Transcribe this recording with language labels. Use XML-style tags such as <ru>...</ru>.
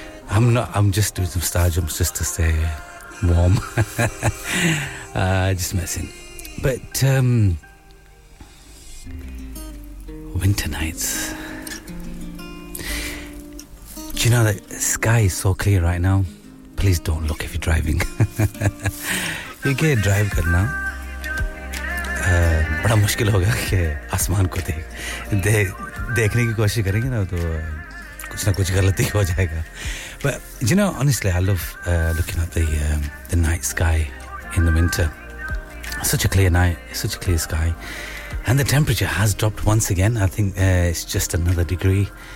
<en>I'm just doing some star jumps just to stay warm. just messing. But, winter nights. Do you know that the sky is so clear right now? Please don't look if you're driving. You can't drive good now.</en> <hi>बड़ा मुश्किल होगा कि आसमान को देखने की कोशिश करेंगे ना तो कुछ ना कुछ गलती हो जाएगा.</hi> <en>But you know, honestly, I love looking at the night sky in the winter. Such a clear night, such a clear sky, and the temperature has dropped once again. I think it's just another degree.</en>